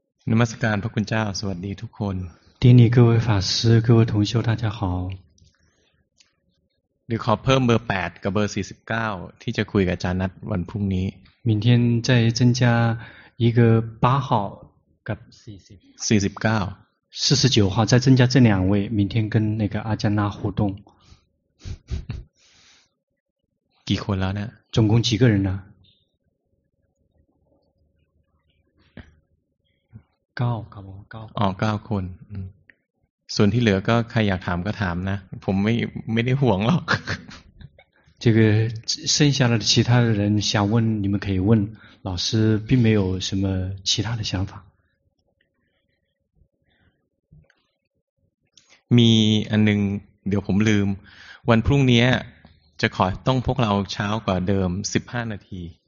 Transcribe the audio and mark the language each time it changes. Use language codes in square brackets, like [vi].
[th] นมัสการพระคุณเจ้าสวัสดีทุกคน ทีนี้ [zh] 各位法师各位同修大家好 [th] เดี๋ยวขอเพิ่มเบอร์8กับเบอร์49ที่จะคุยกับอาจารย์นัดวันพรุ่งนี้ [zh] 明天再增加一个8号跟40 49 49号再增加这两位明天跟那个阿姜娜互动 [th] กี่คนแล้วเนี่ย [zh] 总共几个人呢9 [th] คนส่วนที่เหลือก็ใครอยากถามก็ถามนะผมไม่ได้ห่วงหรอก [zh] 这个剩下的其他的人想问你们可以问老师并没有什么其他的想法 [th] มีอันนึงเดี๋ยวผมลืมวันพรุ่งนี้จะขอต้องพวกเราเช้ากว่าเดิม15นาที